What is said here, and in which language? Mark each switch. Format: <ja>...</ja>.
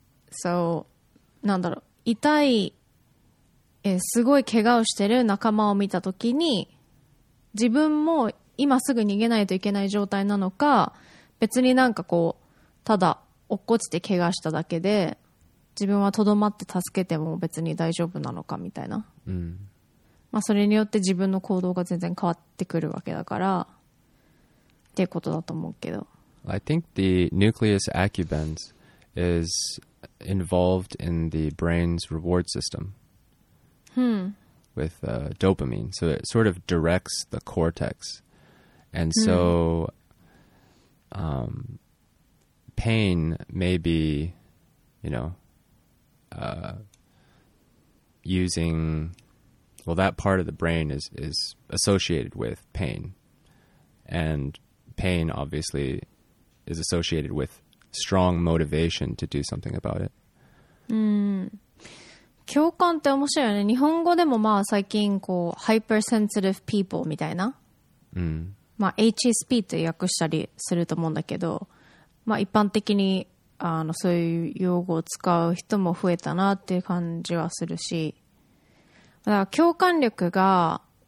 <ja>そう、なんだろう、痛い、すごい怪我をしてる仲間を見た時に、自分も今すぐ逃げないといけない状態なのか、別になんかこうただ落っこちて怪我しただけで自分はとどまって助けても別に大丈夫なのかみたいな、うん、まあ、それによって自分の行動が全然変わってくるわけだからっていうことだと思うけど。</ja> <en>I think the nucleus accumbens is involved in the brain's reward system、 hmm. with、dopamine, so it sort of directs the cortex, and so、hmm. Pain may be, you knowusing, well, that part of the brain is associated with pain, and pain obviously is associated with strong motivation to do something about it.</en> <ja>共感って面白いよね。日本語でもまあ最近こう</ja> <en>hypersensitive people</en> <ja>みたいな、まあ HSP って訳したりすると思うんだけど、まあ一般的にあのそういう用語を使う人も増えたなっていう感じはするし、だから共感力が</ja>